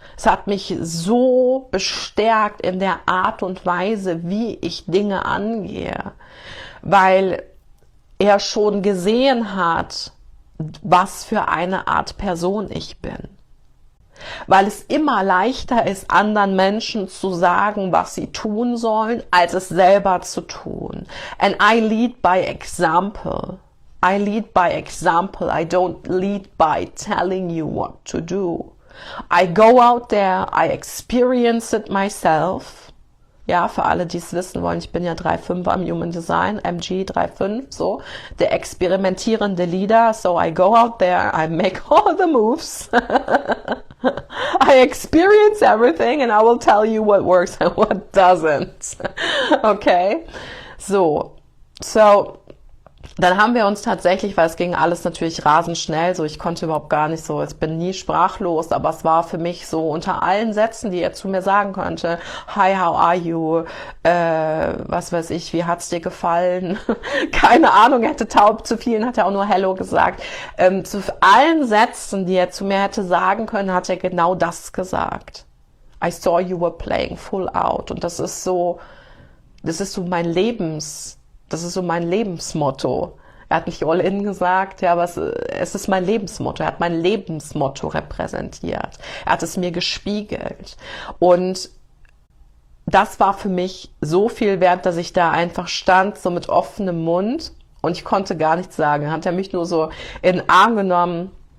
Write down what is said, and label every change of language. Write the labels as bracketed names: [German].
[German] Es hat mich so bestärkt in der Art und Weise, wie ich Dinge angehe, weil er schon gesehen hat, was für eine Art Person ich bin. Weil es immer leichter ist, anderen Menschen zu sagen, was sie tun sollen, als es selber zu tun. [English] And I lead by example. I lead by example. I don't lead by telling you what to do. I go out there, I experience it myself. [German] Ja, für alle, die es wissen wollen, ich bin ja 3.5 am Human Design, MG 3.5, so. Der experimentierende Leader, [English] so I go out there, I make all the moves. I experience everything and I will tell you what works and what doesn't. Okay, so. [German] Dann haben wir uns tatsächlich, weil es ging alles natürlich rasend schnell, so ich konnte überhaupt gar nicht so, ich bin nie sprachlos, aber es war für mich so unter allen Sätzen, die er zu mir sagen konnte, [English] hi, how are you, [German] was weiß ich, wie hat's dir gefallen, keine Ahnung, er hätte taub zu vielen, hat er auch nur hello gesagt, zu allen Sätzen, die er zu mir hätte sagen können, hat er genau das gesagt. [English] I saw you were playing full out [German] und das ist so mein Lebensmotto. Er hat nicht all in gesagt, ja, aber es ist mein Lebensmotto. Er hat mein Lebensmotto repräsentiert. Er hat es mir gespiegelt. Und das war für mich so viel wert, dass ich da einfach stand, so mit offenem Mund. Und ich konnte gar nichts sagen. Hat er mich nur so in den Arm genommen.